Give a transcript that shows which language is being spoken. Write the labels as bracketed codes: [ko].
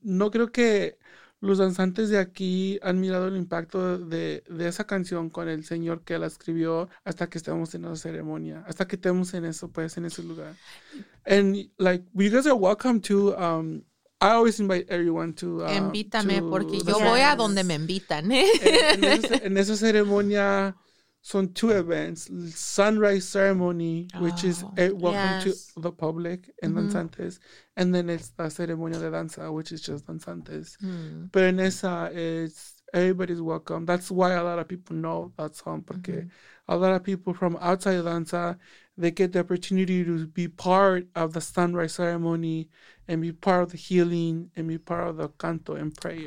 [es] No creo que los danzantes de aquí han mirado el impacto de esa canción con el señor que la escribió hasta que estemos en esa ceremonia, hasta que estemos en eso, pues, en ese lugar. [en] And, like, you guys are welcome to, I always invite everyone to... [es] Invítame, to porque yo voy a donde me invitan, ¿eh? En esa ceremonia son [en] two events, Sunrise Ceremony, which is a welcome to the public and danzantes, and then it's the ceremonia de danza, which is just danzantes. Mm. [es] Pero en esa, [en] it's everybody's welcome. That's why a lot of people know that song, porque a lot of people from outside of danza, they get the opportunity to be part of the Sunrise Ceremony and be part of the healing and be part of the canto and prayer.